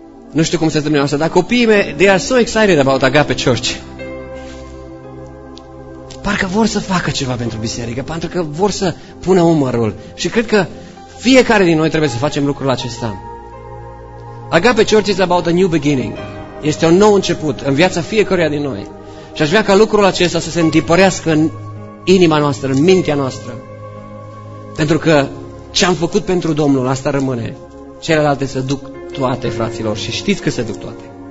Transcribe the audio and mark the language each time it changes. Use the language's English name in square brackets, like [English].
[Romanian] Nu știu cum se întâmplă asta, dar copiii mei, [English] they are so excited about Agape Church. [Romanian] Parcă vor să facă ceva pentru biserică, pentru că vor să pună umărul. Și cred că fiecare din noi trebuie să facem lucrul acesta. [English] Agape Church is about a new beginning. [Romanian] Este un nou început în viața fiecăruia din noi. Și aș vrea ca lucrul acesta să se întipărească în inima noastră, în mintea noastră. Pentru că ce am făcut pentru Domnul, asta rămâne. Celelalte se duc toate, fraților, și știți că se duc toate.